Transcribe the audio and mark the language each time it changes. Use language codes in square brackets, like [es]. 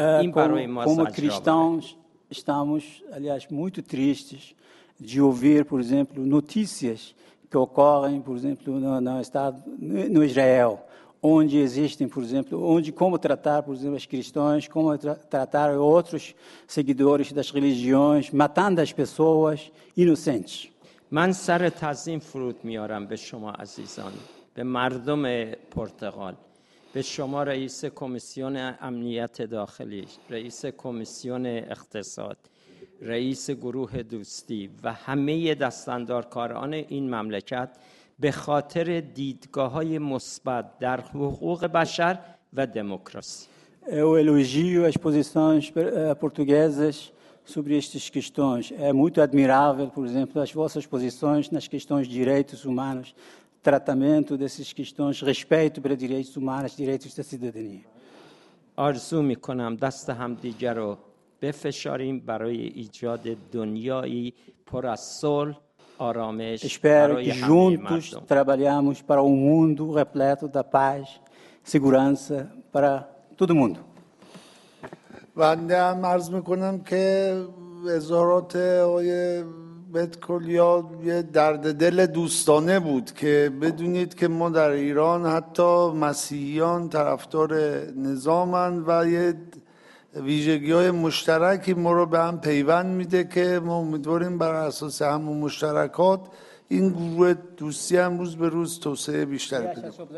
[fa] این برای ما زجرآور. [pt] Como cristãos estamos, aliás, muito tristes de ouvir, por exemplo, notícias que ocorrem, por exemplo, no Israel, onde existem, por exemplo, onde como tratar, por exemplo, as cristãs, como tratar outros seguidores das religiões, matando as pessoas inocentes. [fa] من سر تعظیم فرود میارم به شما عزیزان، به مردم پرتغال، به شما رئیس کمیسیون امنیت داخلی، رئیس کمیسیون اقتصاد، رئیس گروه دوستی و همه دستاندارکاران این مملکت به خاطر دیدگاه‌های مثبت در حقوق بشر و دموکراسی. [pt] Eu elogio as posições portuguesas sobre estas questões. É muito admirável, por exemplo, as vossas posições nas questões de direitos humanos, tratamento dessas questões, respeito para direitos humanos, direitos da cidadania. [fa] آرزو می‌کنم دست هم دیگر رو بفشاریم برای ایجاد دنیایی پر از صلح، آرامش. [pt] Espero que juntos trabalhemos para um mundo repleto da paz, segurança para todo mundo. [fa] بنده هم عرض می‌کنم که اظهارات آقای بدکلیا یه درد دل دوستانه بود که بدونید که ما در ایران حتی مسیحیان طرفدار نظامن و یه ویژگی‌های مشترکی ما رو به هم پیوند میده که ما امیدواریم بر اساس همون مشترکات این گروه دوستی هم روز به روز توسعه بیشتر بده.